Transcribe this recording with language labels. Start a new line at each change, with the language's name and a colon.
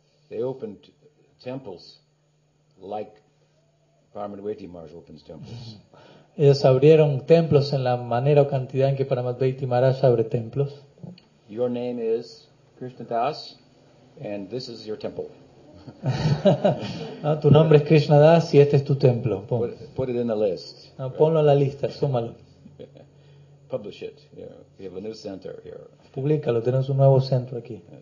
English: They opened temples like Paramadvaita Maharaj opens temples.
Spanish: Ellos abrieron templos en la manera o cantidad en que Paramadvaita Maharaj abre templos.
English: Your name is Krishna Das, and this is your temple.
Spanish: No, tu nombre es Krishna Das y este es tu templo.
English: Put it in the list.
Spanish: No, ponlo en la lista, súmalo.
English: Publish it. Yeah. We have a new center here.
Spanish: Publícalo, tenemos un nuevo centro aquí.